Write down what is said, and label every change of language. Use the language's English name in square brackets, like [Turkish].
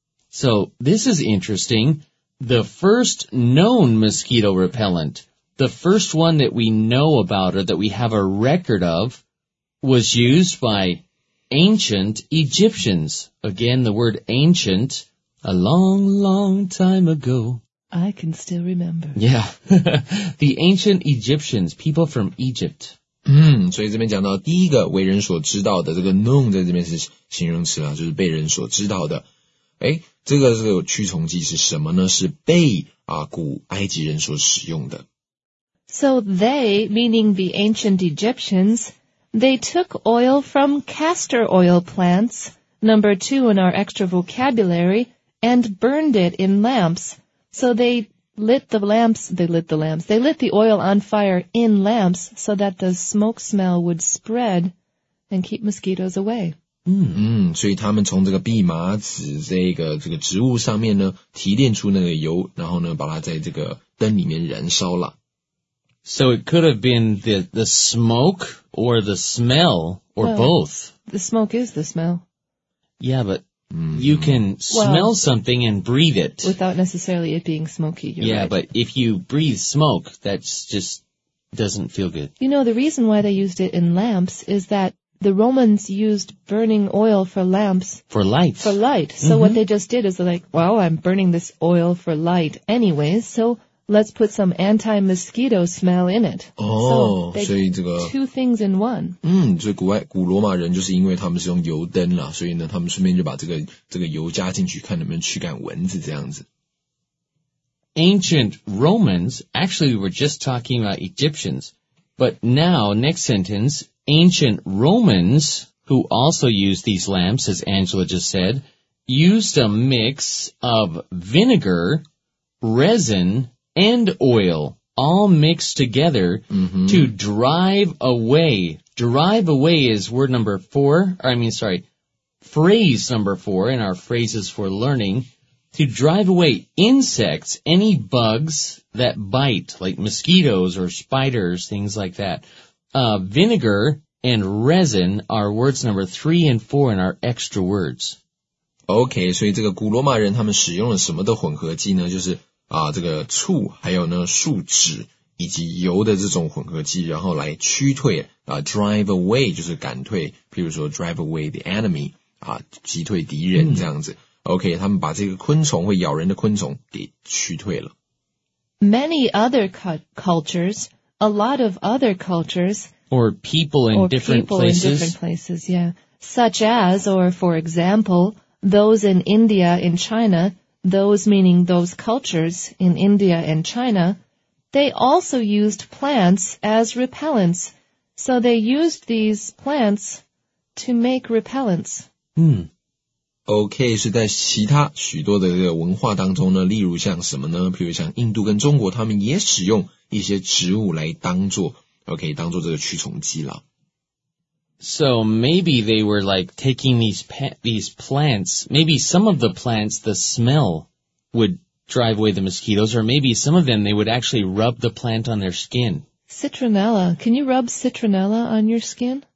[English] So, this is interesting. The first known mosquito repellent, the first one that we know about or that we have a record of, was used byAncient Egyptians. Again, the word ancient, a long, long time ago. I can still remember. Yeah. The ancient Egyptians, people from Egypt. [Chinese] 所以这边讲到第一个为人所知道的这个 known 在这边是形容词啦就是被人所知道的。诶这个驱虫剂是什么呢是被啊古埃及人所使用的。 [English] So they, meaning the ancient Egyptians,They took oil from castor oil plants, number two in our extra vocabulary, and burned it in lamps. So they lit the lamps, they lit the oil on fire in lamps so that the smoke smell would spread and keep mosquitoes away. [Chinese] 所以他们从这个蓖麻籽这个植物上面呢提炼出那个油，然后呢把它在这个灯里面燃烧了。 [English] So it could have been the smoke or the smell or both. The smoke is the smell. Yeah, but you can smell something and breathe it. Without necessarily it being smoky. Yeah, but if you breathe smoke, that's just doesn't feel good. You know, the reason why they used it in lamps is that the Romans used burning oil for lamps. For light. For light. So what they just did is they're like, well, I'm burning this oil for light anyways, so... Let's put some anti-mosquito smell in it. Oh, so they, [Chinese] 这个 [English] two things in one. [Chinese] 所以古罗马人就是因为他们是用油灯啦，所以呢，他们顺便就把这个油加进去，看能不能驱赶蚊子这样子。 [English] Ancient Romans, actually, we were just talking about Egyptians, but now, next sentence, ancient Romans who also used these lamps, as Angela just said, used a mix of vinegar, resin. And oil, all mixed together, to drive away. Drive away is word number four, phrase number four in our phrases for learning. To drive away insects, any bugs that bite, like mosquitoes or spiders, things like that. Vinegar and resin are words number three and four in our extra words. [Chinese] Okay, 所以这个古罗马人他们使用了什么的混合剂呢？就是这个醋还有呢树脂以及油的这种混合剂，然后来驱退drive away 就是赶退，譬如说 [English] drive away the enemy [Chinese] 击退敌人这样子。 OK， 他们把这个昆虫会咬人的昆虫给驱退了。 [English] Many other cultures, a lot of other cultures, or people in different places, yeah, such as or for example, those in India, in China. Those meaning those cultures in India and China, they also used plants as repellents. So they used these plants to make repellents. [Chinese] Okay, 是在其他许多的这个文化当中呢，例如像什么呢？譬如像印度跟中国，他们也使用一些植物来当作 ，OK， 当作这个驱虫剂了。 [English] So maybe they were like taking these plants, maybe some of the plants, the smell would drive away the mosquitoes, or maybe some of them, they would actually rub the plant on their skin. Citronella. Can you rub citronella on your skin?